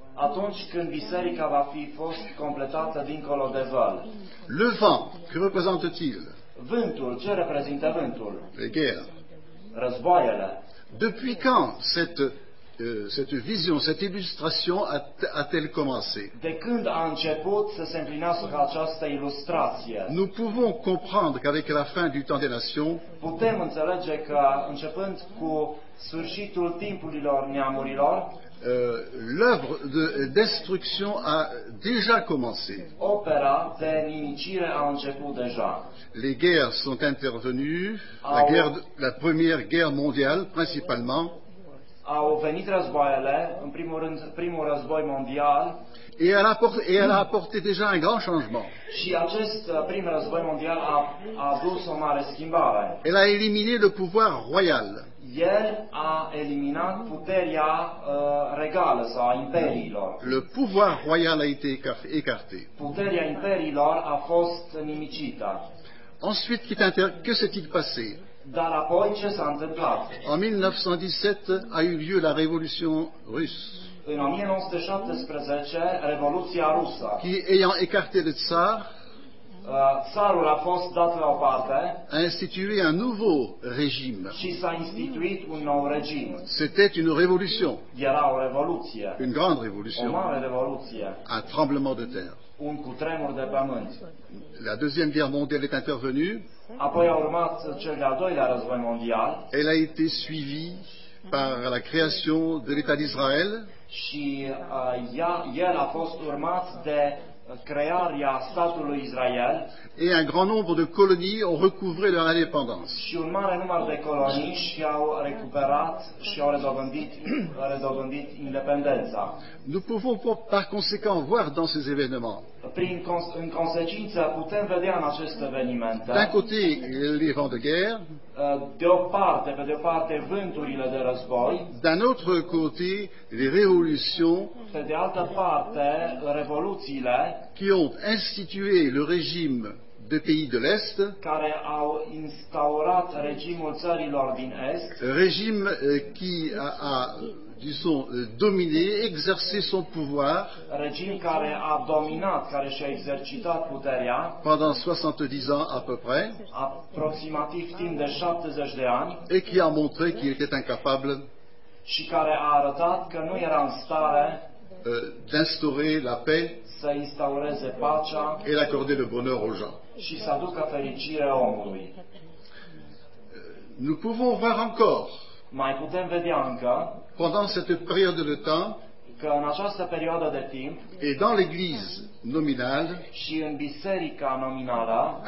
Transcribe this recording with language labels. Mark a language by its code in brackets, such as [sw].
[ro] Atunci când biserica va fi fost completată dincolo de văl. [fr] Le vent, que représente-t-il? [ro] Vântul, ce reprezintă vântul? [fr] Les guerres. [ro] Războaiele. [fr] Depuis quand cette vision, cette illustration a-t-elle commencé? [ro] De când a început să se împlinească această ilustrație? [fr] Nous pouvons comprendre qu'avec la fin du temps des nations, [ro] putem înțelege că începând cu sfârșitul timpurilor neamurilor, [fr] L'œuvre de destruction a déjà commencé. [ro] Opera de nimicire a început deja. [fr] Les guerres sont intervenues, la première guerre mondiale principalement. [ro] Au venit războaiele, în primul rând primul război mondial. [fr] Et elle a apporté, déjà un grand changement. [ro] Și acest prim război mondial a adus o mare schimbare. [fr] Elle a éliminé le pouvoir royal. [ro] El a eliminat puterea regală sau a imperiilor. [fr] Le pouvoir royal a été écarté. [ro] Puterea imperiilor a fost nimicită. [fr] Ensuite, que s'est-il passé? [ro] Dar apoi ce s-a întâmplat? [fr] En 1917 a eu lieu la révolution russe. [ro] În 1917, revoluția rusă. [fr] Qui ayant écarté le tsar, [ro] Tsarul a fost dat la o parte, [fr] a institué un nouveau régime. [ro] Și s-a instituit un nou regim. [fr] C'était une révolution. [ro] Era o revoluție. [fr] Une grande révolution. [ro] O mare revoluție. [fr] Un tremblement de terre. [ro] Un cutremur de pământ. [fr] La deuxième guerre mondiale est intervenue. [ro] Apoi a urmat cel de-al doilea război mondial. [fr] Elle a été suivie par la création de l'État d'Israël. [ro] Și el a fost urmat de crearea statului Israel. [fr] Et un grand nombre de colonies ont recouvré leur indépendance. [ro] Și un mare număr de colonii și-au recuperat și au redobândit independența. [fr] Nous pouvons par conséquent voir dans ces événements. [ro] În consecință putem vedea în aceste evenimente. [fr] D'un côté, les vents de guerre. [ro] Pe de o parte vânturile de război. [fr] D'un autre côté, les révolutions. [ro] Pe de altă parte, revoluțiile [fr] qui ont institué le régime des pays de l'Est, [ro] care au instaurat regimul țărilor din Est, [fr] régime qui a disons, dominé, exercé son pouvoir, [ro] regime care a dominat, care și-a exercitat puterea, [fr] pendant 70 ans à peu près, [ro] aproximativ timp de 70 de ani, [fr] et qui a montré qu'il était incapable, [ro] și care a arătat că nu era în stare [fr] d'instaurer la paix, [ro] să instaureze pacea, [fr] et d'accorder le bonheur aux gens. [ro] Și să aducă fericire omului. [fr] Nous pouvons voir encore, [ro] mai putem vedea încă, [fr] pendant cette période de temps, [ro] că în această perioadă de timp, [fr] et dans l'église nominale, [ro] și în biserica nominală,